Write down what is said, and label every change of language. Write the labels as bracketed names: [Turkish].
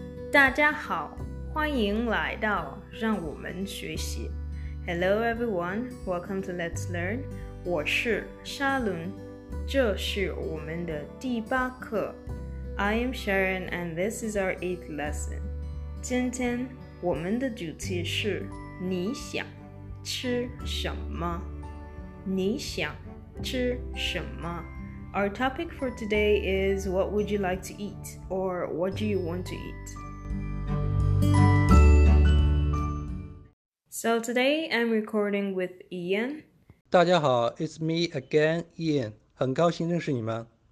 [Chinese] 大家好，欢迎来到让我们学习。 [English] Hello everyone, welcome to Let's Learn. [Chinese] 我是沙伦，这是我们的第八课。 [English] I am Sharon and this is our 8th lesson. [Chinese] 今天我们的主题是你想吃什么？你想吃什么？ [English] Our topic for today is what would you like to eat or what do you want to eat? So today I'm recording with Ian. [Chinese] 大家好 [English] it's me again, [Chinese] Ian. 很高兴认识你们。